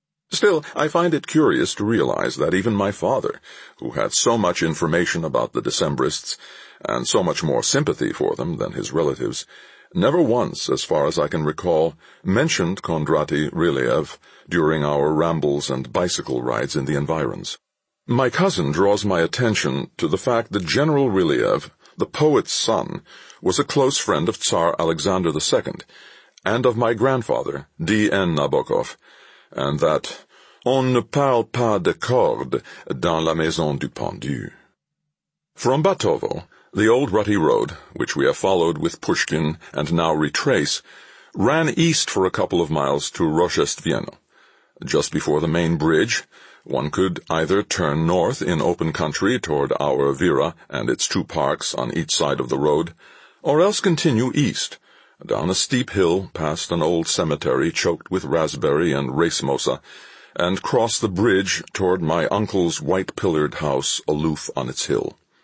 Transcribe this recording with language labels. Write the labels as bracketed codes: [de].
[en] Still, I find it curious to realize that even my father, who had so much information about the Decembrists, and so much more sympathy for them than his relatives, never once, as far as I can recall, mentioned Kondraty Ryleyev during our rambles and bicycle rides in the environs. My cousin draws my attention to the fact that General Ryleyev, the poet's son, was a close friend of Tsar Alexander II, and of my grandfather, D.N. [fr] Nabokov, [en] and that [fr] on ne parle pas de cordes dans la maison du pendu. [en] From Batovo, the old rutty road, which we have followed with Pushkin and now retrace, ran east for a couple of miles to Rozhestvenno. Just before the main bridge, One could either turn north in open country toward our Vira and its two parks on each side of the road, or else continue east, down a steep hill past an old cemetery choked with raspberry and racemosa, and cross the bridge toward my uncle's white-pillared house aloof on its hill.